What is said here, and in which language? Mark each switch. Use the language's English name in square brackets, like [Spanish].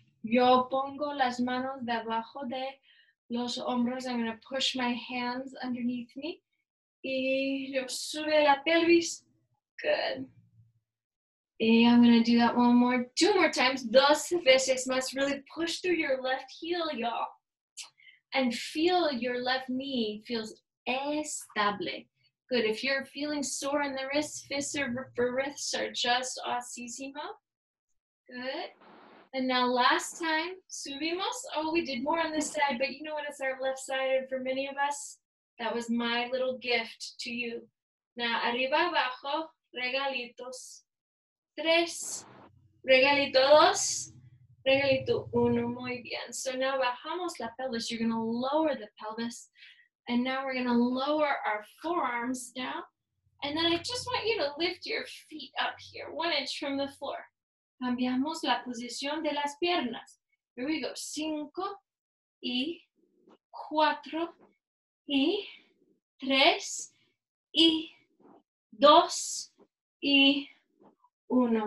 [Spanish] Yo pongo las manos debajo de los hombros. [English] I'm going to push my hands underneath me. [Spanish] Y yo sube la pelvis. [English] Good. And I'm going to do that one more. Two more times. [Spanish] Dos veces más. [English] Really push through your left heel, y'all. And feel your left knee feels estable. Good. If you're feeling sore in the wrists, fists or wrists are just osísimo. Good. And now last time, subimos. Oh, we did more on this side, but you know what? It's our left side. And for many of us, that was my little gift to you. [Spanish] Now, arriba, abajo, regalitos. Tres, regalito dos, regalito uno. Muy bien. [English] So now [Spanish] bajamos la pelvis. [English] You're going to lower the pelvis. And now we're going to lower our forearms down. And then I just want you to lift your feet up here, 1 inch from the floor. [Spanish] Cambiamos la posición de las piernas. [English] Here we go. [Spanish] Cinco y cuatro y tres y dos y uno.